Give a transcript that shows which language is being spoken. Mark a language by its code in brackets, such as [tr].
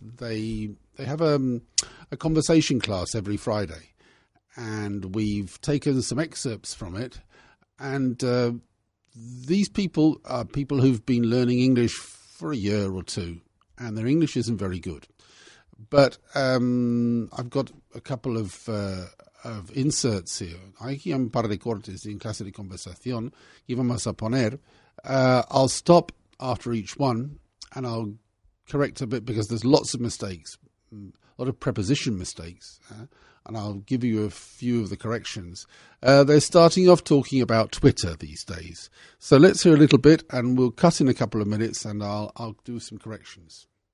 [en] They have a conversation class every Friday, and we've taken some excerpts from it. And these people are people who've been learning English for a year or two, and their English isn't very good. But I've got a couple of inserts here. [es] Aquí hay un par de cortes en clase de conversación que vamos a poner. [en] I'll stop after each one, and I'll correct a bit because there's lots of mistakes, a lot of preposition mistakes, and I'll give you a few of the corrections. They're starting off talking about Twitter these days. So let's hear a little bit, and we'll cut in a couple of minutes, and I'll do some corrections.